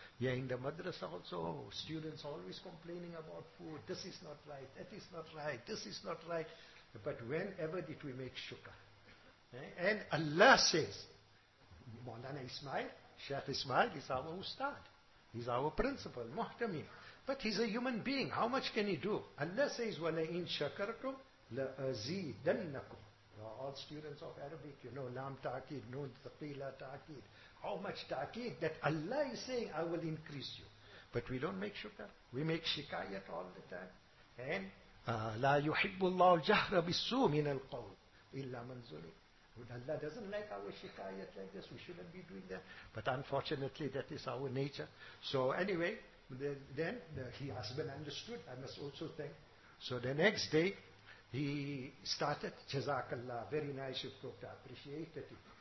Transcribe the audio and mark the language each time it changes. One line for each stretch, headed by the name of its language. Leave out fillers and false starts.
English: Yeah, in the madrasa also, students always complaining about food. This is not right. That is not right. This is not right. But whenever did we make shukr? And Allah says, Maulana Ismail, Sheikh Ismail is our ustad. He's our principal, muhtamin. But he's a human being. How much can he do? Allah says,
Arabic: وَلَا إِن شَكَرْتُمْ لَأَزِيدَنَّكُمْ.
English: All students of Arabic, you know, lam ta'akid, nun thaqila ta'akid. How much ta'akid that Allah is saying, I will increase you. But we don't make shukr. We make shikayat all the time.
Arabic: And لا يحب الله الجهر بالسوء من القول إلا من ظلم.
English: Allah doesn't like our shikayat like this. We shouldn't be doing that. But unfortunately, that is our nature. So anyway, then he has been understood. I must also thank. So the next day, he started, Jazakallah, very nice, you cooked, I appreciated it.